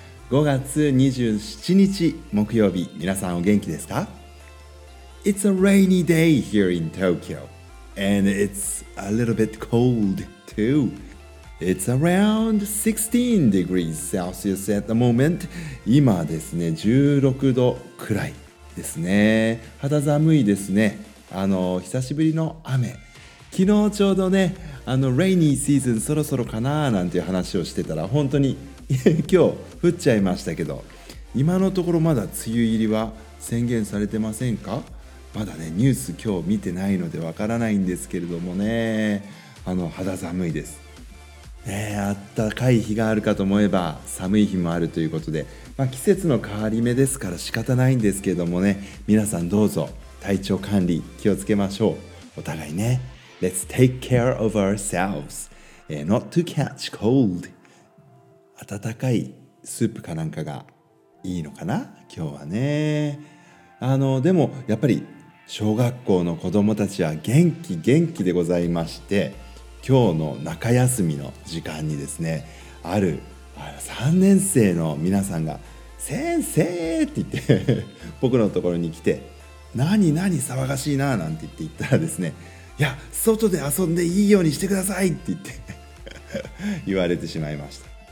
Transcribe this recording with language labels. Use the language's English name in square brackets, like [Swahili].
[Japanese] 5月27日木曜日、皆さんお元気ですか? [English] It's a rainy day here in Tokyo, and it's a little bit cold too. It's around 16 degrees Celsius at the moment. [Japanese] 今ですね、16度くらいですね。肌寒いですね。久しぶりの雨。昨日ちょうどね、レイニーシーズンそろそろかなーなんていう話をしてたら、本当に今日降っちゃいましたけど、今のところまだ梅雨入りは宣言されてませんか? まだね、ニュース今日見てないのでわからないんですけれどもね、肌寒いです。あったかい日があるかと思えば寒い日もあるということで、まあ、季節の変わり目ですから仕方ないんですけどもね、皆さんどうぞ体調管理気をつけましょう。お互いね、 [English] Let's take care of ourselves, not to catch cold. [Japanese] 温かいスープかなんかがいいのかな、今日はね。でもやっぱり小学校の子供たちは元気元気でございまして、今日の中休みの時間にですね、ある3年生の皆さんが先生って言って僕のところに来て、何何騒がしいななんて言ったらですね、いや外で遊んでいいようにしてくださいって言って言われてしまいました。